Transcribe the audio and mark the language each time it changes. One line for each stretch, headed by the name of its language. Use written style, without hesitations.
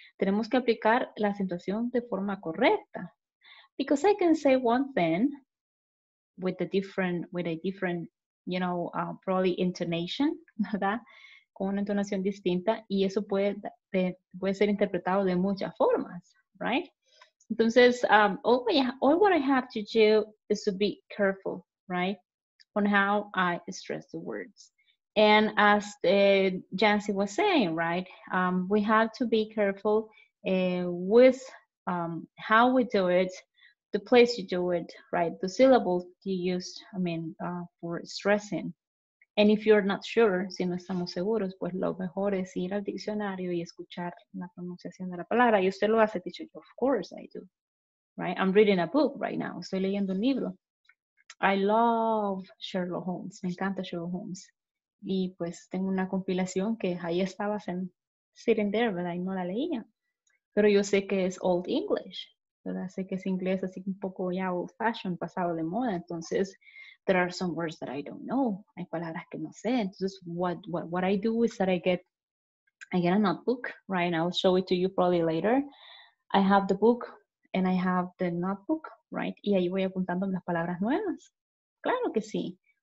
Spanish: Tenemos que aplicar la acentuación de forma correcta.
English: Because I can say one thing with a different, you know, probably intonation, ¿verdad?
Spanish: Con una entonación distinta, y eso puede ser interpretado de muchas formas, right?
English: Entonces, all what I have to do is to be careful, right, on how I stress the words. And as Jancy was saying, right, we have to be careful with how we do it, the place you do it, right, the syllables you use, I mean, for stressing. And if you're not sure,
Spanish: si no estamos seguros, pues lo mejor es ir al diccionario y escuchar la pronunciación de la palabra. Y usted lo hace, teacher,
English: of course I do, right? I'm reading a book right now.
Spanish: Estoy leyendo un libro.
English: I love Sherlock Holmes.
Spanish: Me encanta Sherlock Holmes. Y pues tengo una compilación que ahí estaba
English: sitting there,
Spanish: ¿verdad? Y no la leía. Pero yo sé que es old English, ¿verdad? Sé que es inglés así un poco ya old fashioned, pasado de moda.
English: Entonces, there are some words that I don't know.
Spanish: Hay palabras que no sé.
English: Entonces, what I do is that I get a notebook, right? And I'll show it to you probably later. I have the book and I have the notebook, right?
Spanish: Y ahí voy apuntando las palabras nuevas. Claro que sí.